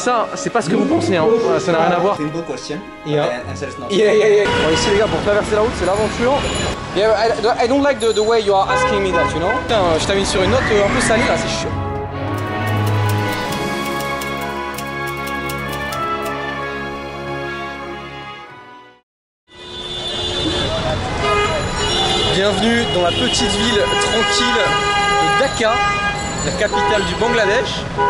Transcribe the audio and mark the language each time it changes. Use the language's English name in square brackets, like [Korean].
[French] Ça, c'est pas ce que vous pensez, hein. Ça n'a rien à voir. Yeah. Bon, ici les gars, pour traverser la route, c'est l'aventure. [English] Yeah, I don't like the way you are asking me that, you know. [French] Putain, je t'amène sur une note un peu salée là, c'est chiant. Bienvenue dans la petite ville tranquille de Dhaka, la capitale du Bangladesh.